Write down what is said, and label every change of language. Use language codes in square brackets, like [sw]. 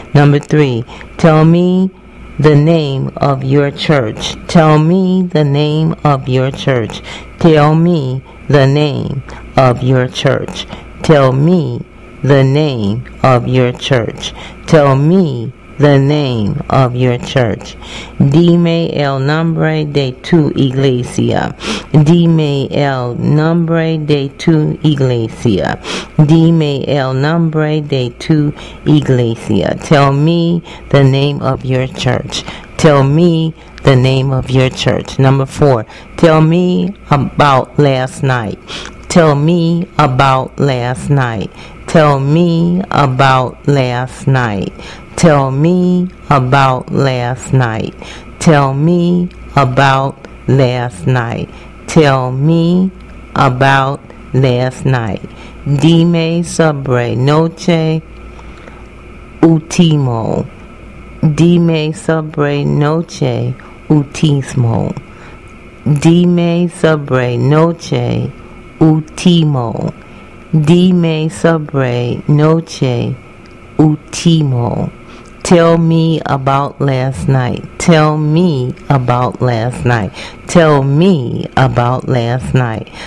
[en] Number three, tell me the name of your church. Tell me the name of your church. Tell me the name of your church. Tell me the name of your church. Tell me the name of your church. [es] Dime el nombre de tu iglesia. Dime el nombre de tu iglesia. Dime el nombre de tu iglesia. [en] Tell me the name of your church. Tell me the name of your church. Number four, tell me about last night. Tell me about last night. Tell me about last night. Tell me about last night. Tell me about last night. Tell me about last night. [es] Dime sobre noche último. Dime sobre noche último. Dime sobre noche último. Dime sobre noche último. [en] Tell me about last night. Tell me about last night. Tell me about last night.